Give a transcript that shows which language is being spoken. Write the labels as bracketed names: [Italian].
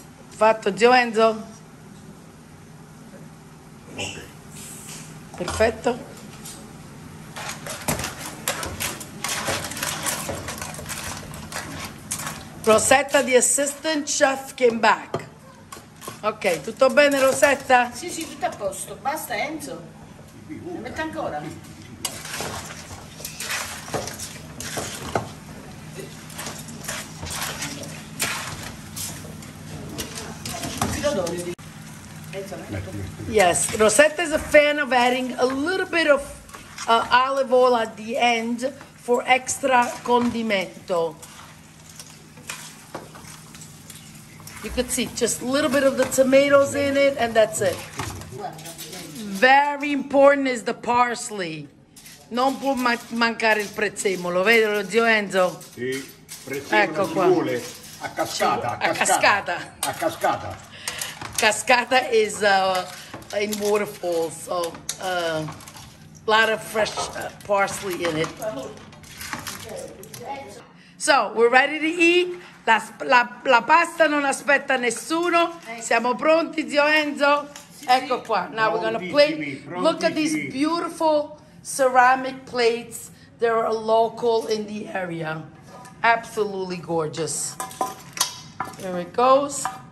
[Italian] Fatto, Zoenzo. Perfetto. [English] Rosetta, the assistant chef, came back. [Italian] Okay, tutto bene, Rosetta? Sì, sì, tutto a posto. Basta, Enzo. Ne metto ancora. [English] Yes, Rosetta is a fan of adding a little bit of olive oil at the end for extra condimento. You could see just a little bit of the tomatoes in it, and that's it. Very important is the parsley. [Italian] Non può mancare il prezzemolo, vedo lo zio Enzo? Sì, prezzemolo, ecco, cipolle, a cascata, a cascata. A cascata. [English] Cascata is in waterfall, so a lot of fresh parsley in it. So, we're ready to eat. [Italian] La pasta non aspetta nessuno. Siamo pronti, zio Enzo? Ecco qua. [English] Now we're gonna plate. Look at these beautiful ceramic plates. They're a local in the area. Absolutely gorgeous. There it goes.